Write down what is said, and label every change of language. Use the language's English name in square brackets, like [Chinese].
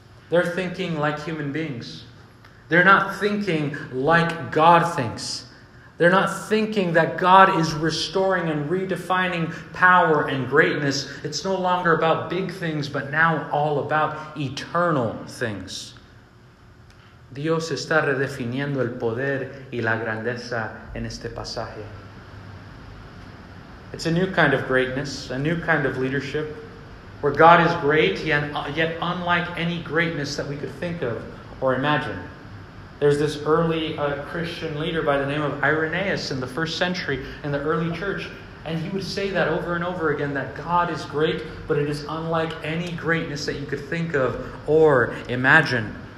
[English] They're thinking like human beings. They're not thinking like God thinks. They're not thinking that God is restoring and redefining power and greatness. It's no longer about big things, but now all about eternal things. [Spanish] Dios está redefiniendo el poder y la grandeza en este pasaje. [English] It's a new kind of greatness, a new kind of leadership, where God is great, yet unlike any greatness that we could think of or imagine. There's this early Christian leader by the name of Irenaeus in the first century in the early church, and he would say that over and over again, that God is great, but it is unlike any greatness that you could think of or imagine.